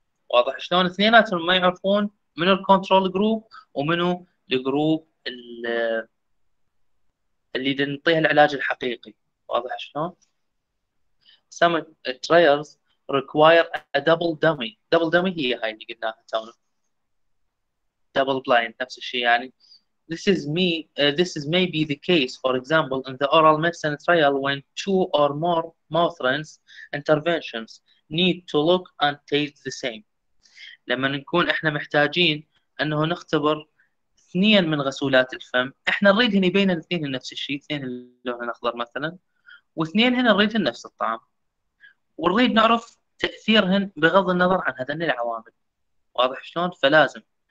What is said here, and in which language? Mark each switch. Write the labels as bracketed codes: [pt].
[ar] واضح شلون؟ اثنيناتهم ما يعرفون منو الكنترول جروب ومنو الجروب اللي نعطيها العلاج الحقيقي. واضح شلون؟ [en] Some trials require a double dummy. [ar] Double dummy هي هاي اللي قلناها تونا. Double blind نفس الشيء يعني. [en] This is maybe the case, for example, in the oral medicine trial when two or more mouth rinse interventions need to look and taste the same. [ar] لما نكون احنا محتاجين انه نختبر اثنين من غسولات الفم، احنا نريد هنا بين الاثنين نفس الشيء، اثنين اللون الاخضر مثلا، واثنين هنا نريد نفس الطعم، ونريد نعرف تاثيرهن بغض النظر عن هذين العوامل. واضح شلون؟ فلازم